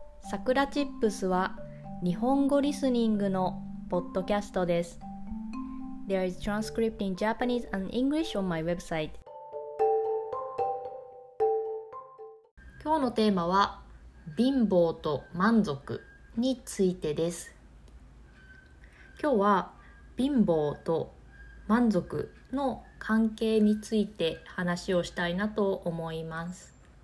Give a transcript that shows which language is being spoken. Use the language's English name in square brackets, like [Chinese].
[Japanese] さくらチップスは日本語リスニングのポッドキャストです。 [English] There is transcript in Japanese and English on my website。 [Japanese] 今日のテーマは貧乏と満足についてです。今日は貧乏と満足の関係について話をしたいなと思います。